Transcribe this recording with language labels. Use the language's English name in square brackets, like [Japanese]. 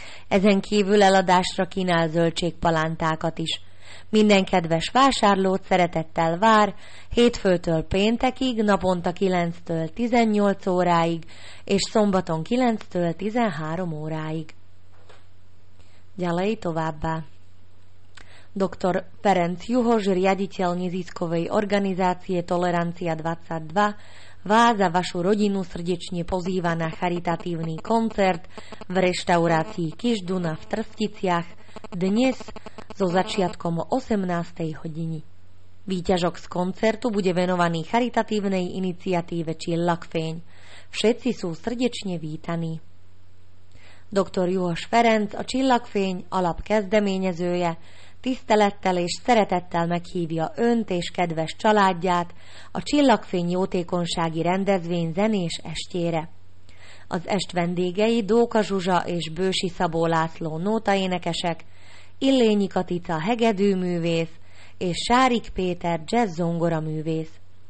[Hungarian] Ezen kívül eladásra kínál zöldségpalántákat is. Minden kedves vásárlót szeretettel vár hétfőtől péntekig, naponta 9-től 18 óráig és szombaton 9-től 13 óráig. [Slovak] Ďalej [Hungarian] továbbá. [Slovak] Dr. Ferenc Juhož, riaditeľ neziskovej organizácie Tolerancia 22, vás a vašu rodinu srdečne pozýva na charitatívny koncert v reštaurácii Kižduna v Trsticiach dnes so začiatkom o 18. hodiny. Výťažok z koncertu bude venovaný charitatívnej iniciatíve Csillagfény. Všetci sú srdečne vítaní. [Hungarian] Dr. Juhož Ferenc, a Csillagfény alap kezdeményezője, tisztelettel és szeretettel meghívja önt és kedves családját a Csillagfény jótékonysági rendezvény zenés estjére. Az est vendégei Dóka Zsuzsa és Bősi Szabó László nótaénekesek, Illényi Katica hegedűművész és Sárik Péter jazz-zongora művész.